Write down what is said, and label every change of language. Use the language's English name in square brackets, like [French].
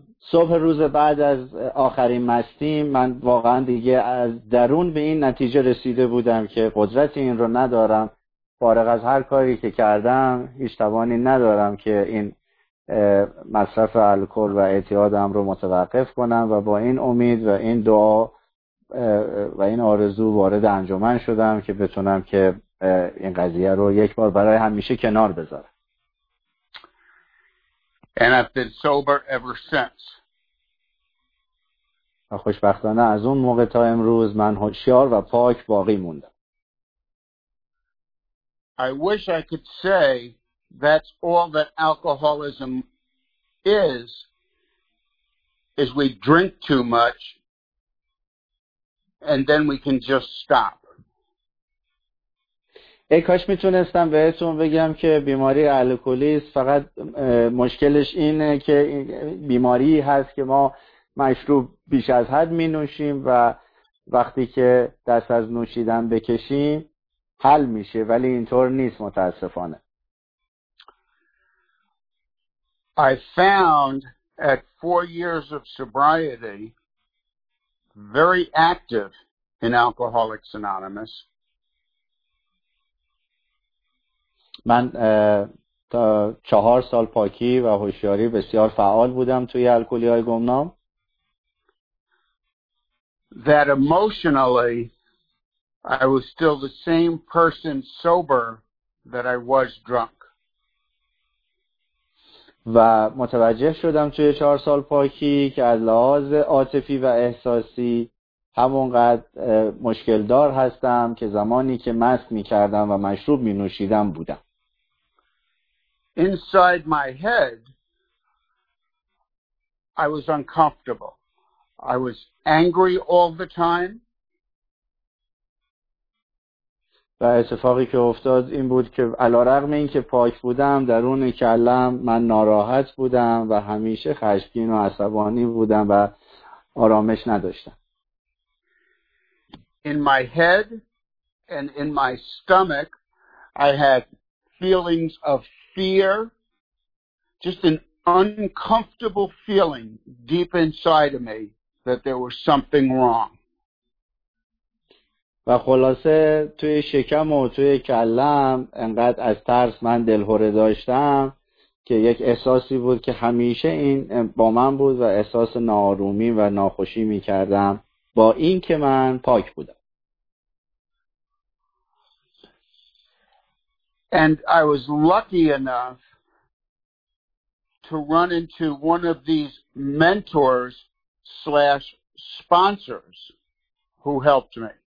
[Persian] صبح روز بعد از آخرین مستیم من واقعا دیگه از درون به این نتیجه رسیده بودم که قدرت این رو ندارم، فارغ از هر کاری که کردم هیچ توانی ندارم که این مصرف الکل و اعتیادم رو متوقف کنم و با این امید و این دعا و این آرزو وارد انجمن شدم که بتونم که این قضیه رو یک بار برای همیشه کنار بذارم. [English] And I've been sober ever since. [Persian] خوشبختانه از اون موقع تا امروز من هوشیار و پاک باقی موندم. [English] I wish I could say that's all that alcoholism is we drink too much and then we can just stop. [Persian] ای کاش میتونستم بهتون بگم که بیماری الکلیست فقط مشکلش اینه که بیماری هست که ما مشروب بیش از حد می نوشیم و وقتی که دست از نوشیدن بکشیم حل میشه، ولی اینطور نیست متاسفانه. [English] I found at 4 years of sobriety very active in Alcoholics Anonymous. [Persian] من تا 4 سال پاکی و هوشیاری بسیار فعال بودم توی الکلی های گمنام. [English] That emotionally I was still the same person sober that I was drunk. [Persian] و متوجه شدم توی 4 سال پاکی که از لحاظ عاطفی و احساسی همونقدر مشکل دار هستم که زمانی که مست می کردم و مشروب می نوشیدم بودم. [English] Inside my head, I was uncomfortable. I was angry all the time. [Persian] و اتفاقی که افتاد این بود که علی‌رغم اینکه پاک بودم درون کلم من ناراحت بودم و همیشه خشمگین و عصبانی بودم و آرامش نداشتم. [English] In my head and in my stomach I had feelings of fear, just an uncomfortable feeling deep inside of me that there was something wrong. [Persian] و خلاصه توی شکم و توی کلم انقدر از ترس من دلهوره داشتم که یک احساسی بود که همیشه این با من بود و احساس ناآرومی و ناخوشی می کردم با این که من پاک بودم. [English] And I was lucky enough to run into one of these mentors / sponsors who helped me.